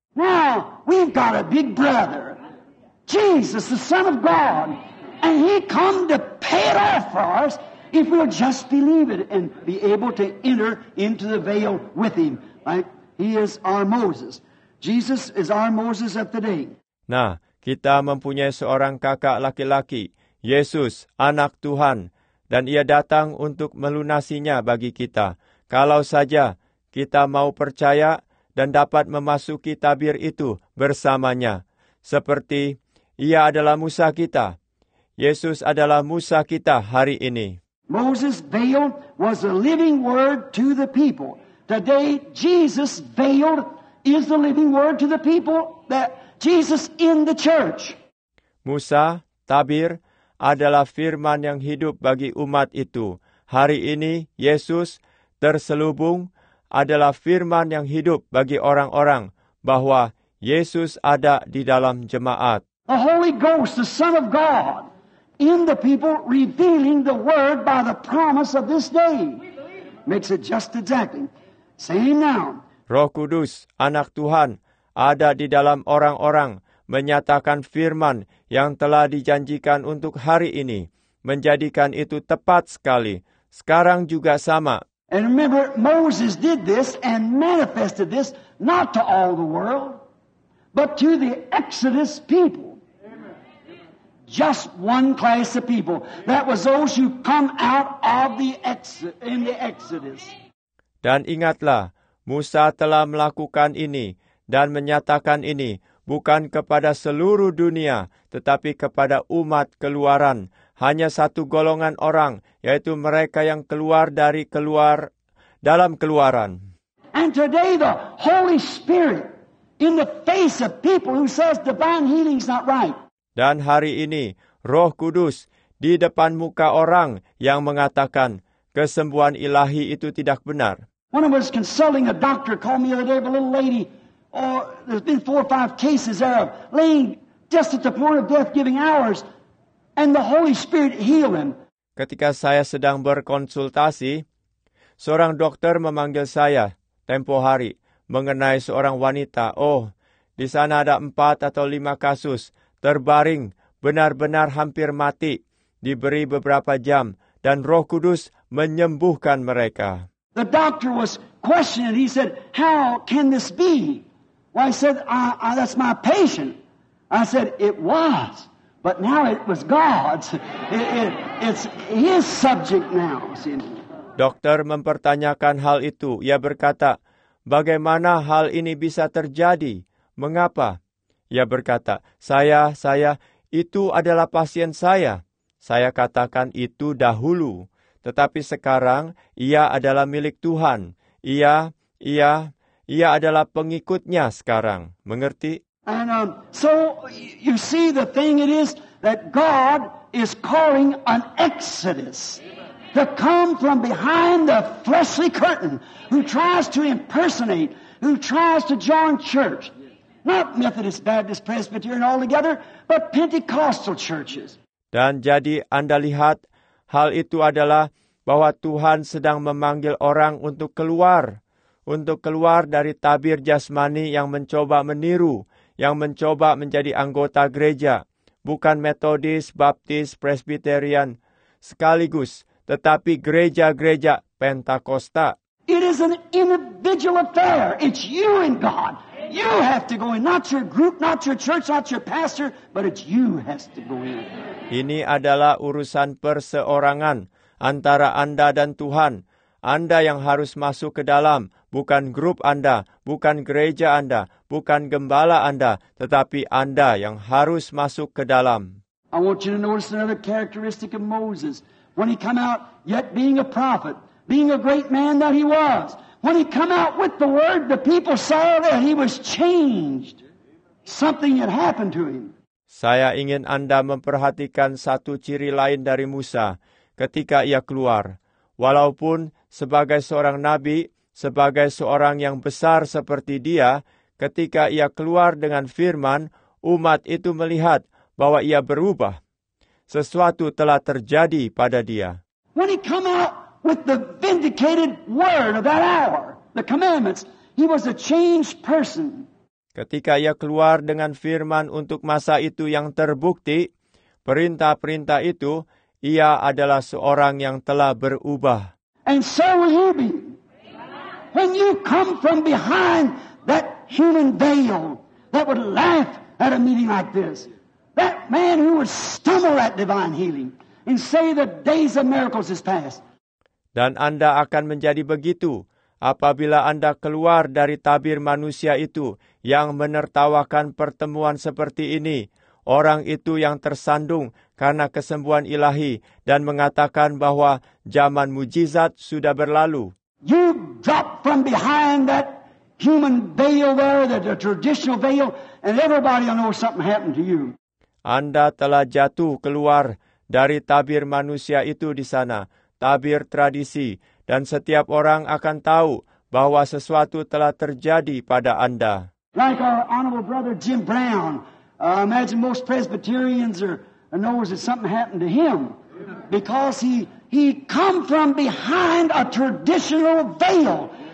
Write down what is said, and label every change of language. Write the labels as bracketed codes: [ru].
[en] Now, we've got a big brother, Jesus, the Son of God, and he come to pay it off for us. If we'll just believe it and be able to enter into the veil with him, right? He is our Moses. Jesus is our Moses of today. [id] Nah, kita mempunyai seorang kakak laki-laki, Yesus, anak Tuhan, dan ia datang untuk melunasinya bagi kita. Kalau saja kita mau percaya dan dapat memasuki tabir itu bersamanya, seperti ia adalah Musa kita. Yesus adalah Musa kita hari ini. [en] Moses' veil was a living word to the people. Today, Jesus' veil is the living word to the people, that Jesus in the church. [id] Musa, tabir, adalah firman yang hidup bagi umat itu. Hari ini, Yesus, terselubung, adalah firman yang hidup bagi orang-orang bahwa Yesus ada di dalam jemaat. [en] The Holy Ghost, the Son of God, in the people revealing the word by the promise of this day. Makes it just exactly. Same now. [id] Roh Kudus, Anak Tuhan, ada di dalam orang-orang, menyatakan firman yang telah dijanjikan untuk hari ini, menjadikan itu tepat sekali. Sekarang juga sama. [en] And remember, Moses did this and manifested this not to all the world, but to the Exodus people. Just one class of people. That was those who come out of the Exodus. [id] Dan ingatlah, Musa telah melakukan ini dan menyatakan ini bukan kepada seluruh dunia, tetapi kepada umat keluaran. Hanya satu golongan orang, yaitu mereka yang keluar dari keluar dalam keluaran. [en] And today the Holy Spirit, in the face of people who says divine healing is not right. [id] Dan hari ini, Roh Kudus di depan muka orang yang mengatakan kesembuhan ilahi itu tidak benar. [en] One of us consulting a doctor called me the other day of a little lady. Oh, there's been four or five cases there of laying just at the point of death giving hours. And the Holy Spirit healed him. [id] Ketika saya sedang berkonsultasi, seorang dokter memanggil saya tempo hari mengenai seorang wanita. Oh, di sana ada 4 atau 5 kasus. Terbaring, benar-benar hampir mati, diberi beberapa jam, dan Roh Kudus menyembuhkan mereka. [en] The doctor was questioned. He said, "How can this be?" Well, I said, "That's my patient." I said, "It was, but now it was God's. It's His subject now." [id] Dokter mempertanyakan hal itu. Ia berkata, "Bagaimana hal ini bisa terjadi? Mengapa?" Ia berkata, saya, itu adalah pasien saya. Saya katakan itu dahulu. Tetapi sekarang, ia adalah milik Tuhan. Ia adalah pengikutnya sekarang. Mengerti? [en] And so, you see the thing it is that God is calling an exodus to come from behind the fleshly curtain who tries to impersonate, who tries to join church. Not Methodist, Baptist, Presbyterian all together, but Pentecostal churches. [id] Dan jadi Anda lihat, hal itu adalah bahwa Tuhan sedang memanggil orang untuk keluar dari tabir jasmani yang mencoba meniru, yang mencoba menjadi anggota gereja, bukan Methodist, Baptist, Presbyterian sekaligus, tetapi gereja-gereja Pentakosta. [en] It is an individual affair. It's you and God. You have to go in, not your group, not your church, not your pastor, but it's you has to go in. [id] Ini adalah urusan perseorangan antara Anda dan Tuhan. Anda yang harus masuk ke dalam, bukan grup Anda, bukan gereja Anda, bukan gembala Anda, tetapi Anda yang harus masuk ke dalam. [en] I want you to notice another characteristic of Moses. When he come out, yet being a prophet, being a great man that he was, when he come out with the word, the people saw that he was changed. Something had happened to him. [id] Saya ingin Anda memperhatikan satu ciri lain dari Musa ketika ia keluar. Walaupun sebagai seorang nabi, sebagai seorang yang besar seperti dia, ketika ia keluar dengan firman, umat itu melihat bahwa ia berubah. Sesuatu telah terjadi pada dia. [en] When he come out with the vindicated word of that hour, the commandments, he was a changed person. [id] Ketika ia keluar dengan firman untuk masa itu yang terbukti, perintah-perintah itu, ia adalah seorang yang telah berubah. [en] And so will you be. When you come from behind that human veil that would laugh at a meeting like this, that man who would stumble at divine healing and say the days of miracles is past. [id] Dan Anda akan menjadi begitu apabila Anda keluar dari tabir manusia itu yang menertawakan pertemuan seperti ini. Orang itu yang tersandung karena kesembuhan ilahi dan mengatakan bahwa zaman mujizat sudah berlalu. [en] You drop from behind that human veil there, the traditional veil, and everybody will know something happened to you. [id] Anda telah jatuh keluar dari tabir manusia itu di sana, tabir tradisi, dan setiap orang akan tahu bahwa sesuatu telah terjadi pada Anda. [en] Like our honorable brother Jim Brown, imagine most Presbyterians are knows that something happened to him because he come from behind a traditional veil.